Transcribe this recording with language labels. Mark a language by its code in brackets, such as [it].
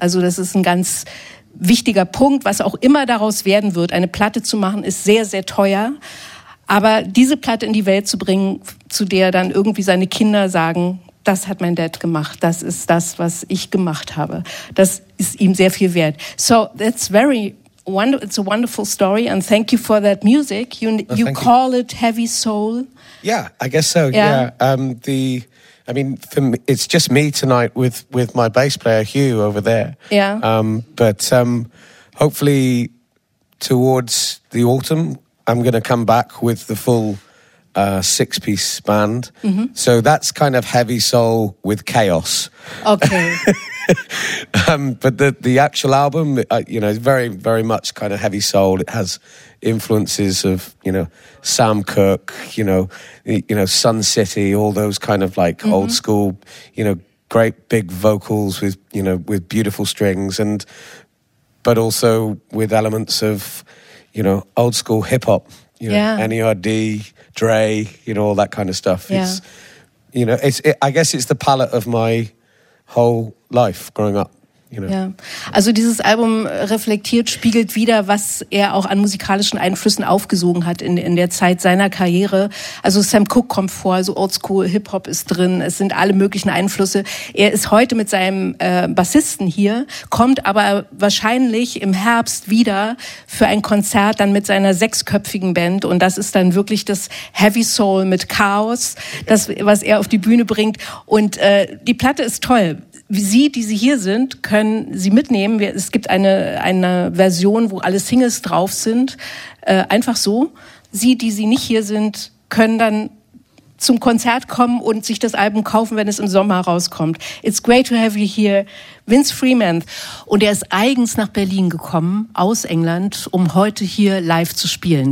[de] Also das ist ein ganz wichtiger Punkt, was auch immer daraus werden wird. Eine Platte zu machen ist sehr, sehr teuer. Aber diese Platte in die Welt zu bringen, zu der dann irgendwie seine Kinder sagen, das hat mein Dad gemacht, das ist das, was ich gemacht habe, das ist ihm sehr viel wert. [en] So that's very wonderful, it's a wonderful story, and thank you for that music. You call it Heavy Soul. Yeah, I guess so, yeah. I mean, for me, it's just me tonight with my bass player Hugh over there. Yeah. But hopefully towards the autumn, I'm going to come back with the full 6-piece band. Mm-hmm. So that's kind of Heavy Soul with chaos. Okay. but the actual album, you know, is very, very much kind of Heavy Soul. It has influences of, you know, Sam Cooke, you know, Sun City, all those kind of like mm-hmm. old school, you know, great big vocals with, you know, with beautiful strings, and but also with elements of, you know, old school hip hop, you know, NERD, Dre, you know, all that kind of stuff. Yeah. It's, you know, it's, it, I guess it's the palette of my whole life growing up. you know. [de] Ja. Also dieses Album reflektiert, spiegelt wieder, was er auch an musikalischen Einflüssen aufgesogen hat in der Zeit seiner Karriere. Also Sam Cooke kommt vor, also Oldschool, Hip-Hop ist drin, es sind alle möglichen Einflüsse. Er ist heute mit seinem Bassisten hier, kommt aber wahrscheinlich im Herbst wieder für ein Konzert dann mit seiner sechsköpfigen Band, und das ist dann wirklich das Heavy Soul mit Chaos, das, was er auf die Bühne bringt. Und die Platte ist toll. Sie, die Sie hier sind, können Sie mitnehmen. Es gibt eine Version, wo alle Singles drauf sind. Einfach so. Sie, die Sie nicht hier sind, können dann zum Konzert kommen und sich das Album kaufen, wenn es im Sommer rauskommt. [en] It's great to have you here, Vince Freeman. [de] Und er ist eigens nach Berlin gekommen, aus England, um heute hier live zu spielen.